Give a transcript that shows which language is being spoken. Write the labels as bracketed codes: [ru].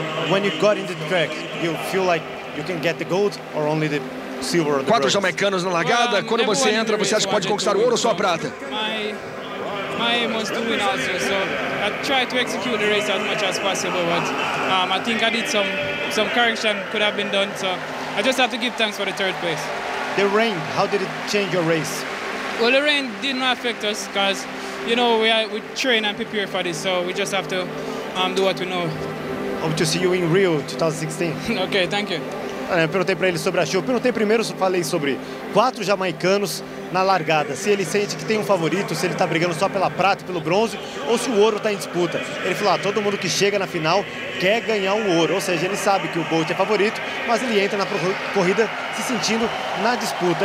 [en] When you got in the track, you feel like you can get the gold or only the silver? [pt] Quatro jamaicanos na largada. Quando você entra, você acha que pode conquistar o ouro ou só a prata? [en] My aim was to win also, so I tried to execute the race as much as possible, but I think I did some correction could have been done, so I just have to give thanks for the third place. The rain, how did it change your race? Well, the rain didn't affect us because, you know, we train and prepare for this, so we just have to do what we know. Hope to see you in Rio 2016. Okay, thank you. [pt] Perguntei para ele sobre a chuva. Perguntei primeiro, falei sobre quatro jamaicanos na largada. Se ele sente que tem um favorito, se ele está brigando só pela prata, pelo bronze, ou se o ouro está em disputa. Ele falou, todo mundo que chega na final quer ganhar o ouro. Ou seja, ele sabe que o Bolt é favorito, mas ele entra na corrida se sentindo na disputa.